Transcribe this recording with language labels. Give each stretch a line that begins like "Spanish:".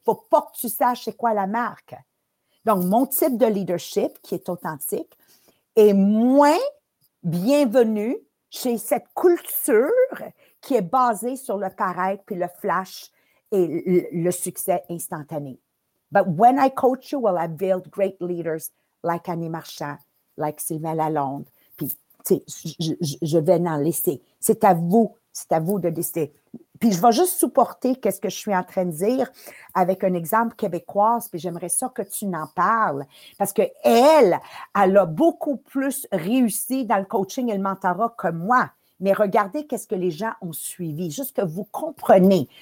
French: Il ne faut pas que tu saches c'est quoi la marque. Donc, mon type de leadership qui est authentique est moins bienvenu chez cette culture qui est basée sur le paraître puis le flash et le succès instantané.
English: But when I coach you, well, I build great leaders like Annie Marchand, like Sylvain Lalonde.
French: Puis, tu sais, je vais en laisser. C'est à vous de décider. Puis, je vais juste supporter qu'est-ce que je suis en train de dire avec un exemple québécoise, puis j'aimerais ça que tu n'en parles. Parce qu'elle, elle a beaucoup plus réussi dans le coaching et le mentorat que moi. Mais regardez qu'est-ce que les gens ont suivi. Juste que vous comprenez.